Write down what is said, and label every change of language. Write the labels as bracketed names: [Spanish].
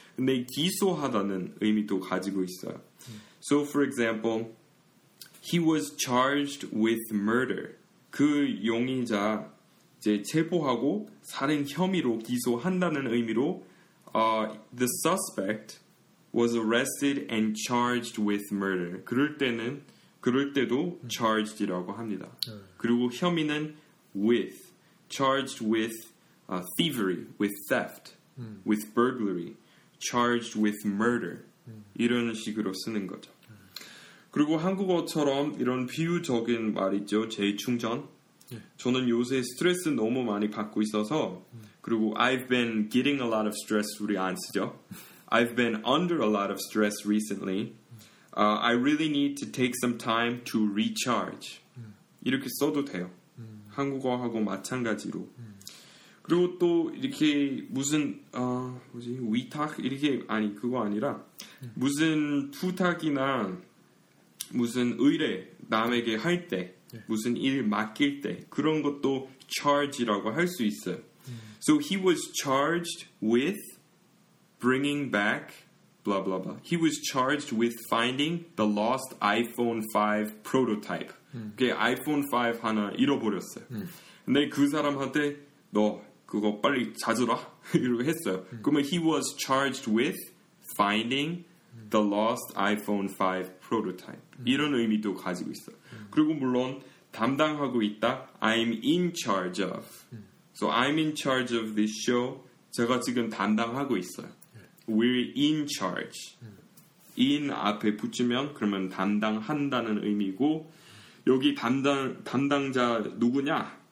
[Korean] 근데 기소하다는 의미도 가지고 있어요. [English] So for example, he was charged with murder. [Korean] 그 용의자 이제 체포하고 살인 혐의로 기소한다는 의미로 [English] the suspect was arrested and charged with murder. [Korean] 그럴 때는 그럴 때도 charged이라고 합니다. [English] 그리고 혐의는 with, charged with thievery, with theft, with burglary, charged with murder. [Korean] 이런 식으로 쓰는 거죠. 그리고 한국어처럼 이런 비유적인 말 있죠. 재충전. 저는 요새 스트레스 너무 많이 받고 있어서 그리고 [English] I've been getting a lot of stress [Korean] 우리 안 쓰죠. [English] I've been under a lot of stress recently. I really need to take some time to recharge. [Korean] 이렇게 써도 돼요. 한국어하고 마찬가지로. 그리고 또 이렇게 무슨 뭐지 위탁 이렇게 아니 그거 아니라 무슨 부탁이나 무슨 의뢰 남에게 할 때 무슨 일 맡길 때 그런 것도 charge이라고 할 수 있어요. [English] So he was charged with bringing back. Blah, blah, blah. He was charged with finding the lost iPhone 5 prototype. [Korean] Okay, iPhone 5 하나 잃어버렸어요. 근데 그 사람한테 너 그거 빨리 찾으라 이렇게 했어요. [English] 그러면 he was charged with finding the lost iPhone 5 prototype. [Korean] 이런 의미도 가지고 있어요. 그리고 물론 담당하고 있다. [English] I'm in charge of. So I'm in charge of this show. [Korean] 제가 지금 담당하고 있어요. [English] We're in charge. [Korean] In 앞에 붙이면 그러면 담당한다는 의미고 여기 담당자 누구냐?